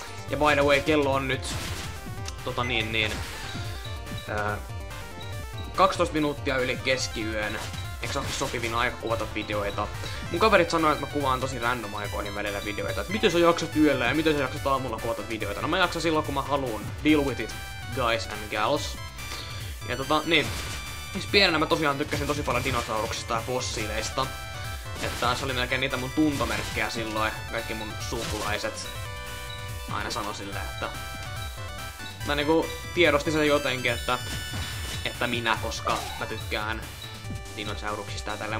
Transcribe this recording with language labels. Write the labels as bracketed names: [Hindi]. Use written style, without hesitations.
[Finnish] Ja [English] by the way, [Finnish] kello on nyt tota niin niin 12 minuuttia yli keskiyön. Eikö se ole sopivin aika kuvata videoita? Mun kaverit sanoi, että mä kuvaan tosi random aikoihin välillä videoita, että miten sä jaksat yöllä ja miten sä jaksat aamulla kuvata videoita. No mä jaksan silloin, kun mä haluun. [English] Deal with it, guys and gals. [Finnish] Ja tota niin, siis pienenä mä tosiaan tykkäsin tosi paljon dinosauruksista ja fossiileista. Että se oli melkein niitä mun tuntomerkkejä silloin. Kaikki mun sukulaiset aina sano silleen, että... mä niinku tiedostin sen jotenkin, että minä, koska mä tykkään dinosauruksista ja tälleen.